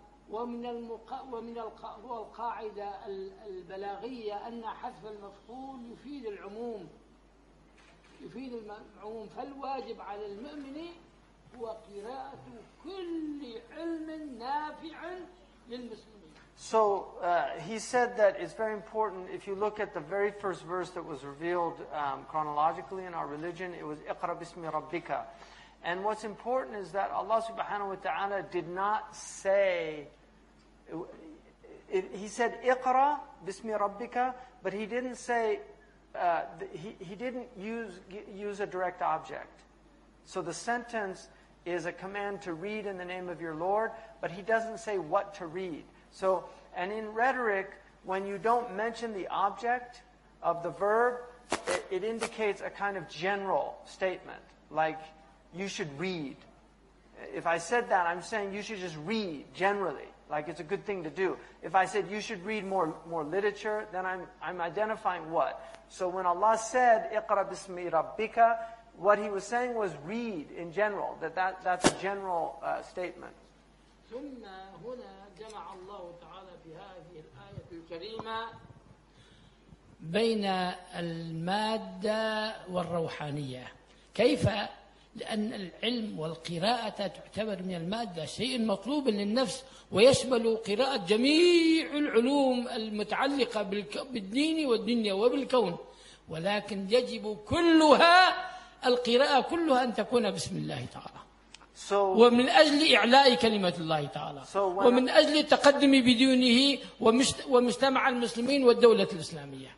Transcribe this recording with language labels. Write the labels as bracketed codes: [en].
[ar] ومن القاعدة البلاغية أن حذف المفعول يفيد العموم, يفيد المعلوم. فالواجب على المؤمن هو قراءة كل علم نافع للمسلمين. [en] So he said that it's very important, if you look at the very first verse that was revealed chronologically in our religion, it was [ar] اقرأ باسم ربك. [en] And what's important is that Allah subhanahu wa ta'ala did not say, he said, [ar] اقرأ بِسْمِ رَبِّكَ, [en] but he didn't say, he didn't use a direct object. So the sentence is a command to read in the name of your Lord, but he doesn't say what to read. So, and in rhetoric, when you don't mention the object of the verb, it indicates a kind of general statement, like, you should read. If I said that, I'm saying you should just read generally, like it's a good thing to do. If I said you should read more literature, then I'm identifying what. So when Allah said [ar] اقرأ بسم ربك, [en] what He was saying was read in general. That's a general statement. [ar] ثم هنا جمع الله تعالى في هذه الآية الكريمة بين المادة والروحانية. كيف؟ لأن العلم والقراءة تعتبر من المادة شيء مطلوب للنفس ويشمل قراءة جميع العلوم المتعلقة بالدين والدنيا وبالكون, ولكن يجب كلها القراءة كلها أن تكون بسم الله تعالى ومن أجل إعلاء كلمة الله تعالى ومن أجل التقدم بدينه ومجتمع المسلمين والدولة الإسلامية.